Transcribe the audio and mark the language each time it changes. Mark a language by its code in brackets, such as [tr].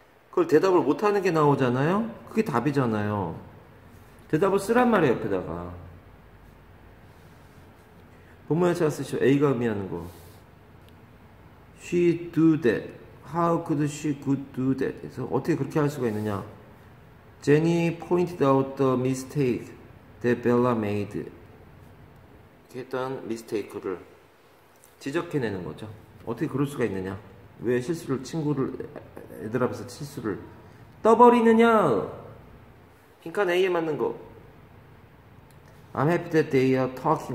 [ko] 그걸 대답을 못하는 게 나오잖아요? 그게 답이잖아요. 대답을 쓰란 말이에요, 옆에다가. 본문에 찾아 쓰시죠. A가 의미하는 거. [en] She do that. How could she could do that? [ko] 그래서 어떻게 그렇게 할 수가 있느냐? [en] Jenny pointed out the mistake that Bella made. [ko] 했던 미스테이크를 지적해내는 거죠. 어떻게 그럴 수가 있느냐? 왜 실수를 친구를 애들 앞에서 실수를 떠버리느냐? 빈칸 A에 맞는 거. [en] I'm happy that they are talking.